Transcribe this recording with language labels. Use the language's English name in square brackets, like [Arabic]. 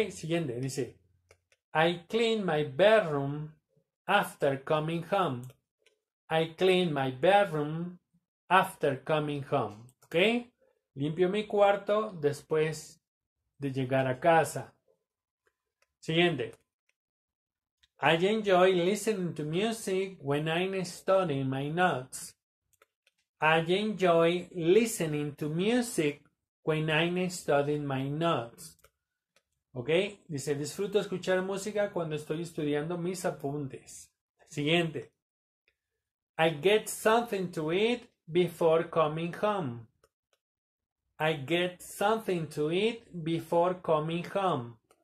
[Spanish] Siguiente, dice, [English] I cleaned my bedroom after coming home. I clean my bedroom after coming home. Ok. [Spanish] Limpio mi cuarto después de llegar a casa. Siguiente. [English] I enjoy listening to music when I'm studying my notes. I enjoy listening to music when I'm studying my notes. Ok. [Spanish] Dice, disfruto escuchar música cuando estoy estudiando mis apuntes. Siguiente. [English] I get something to eat before coming home. I get something to eat before coming home.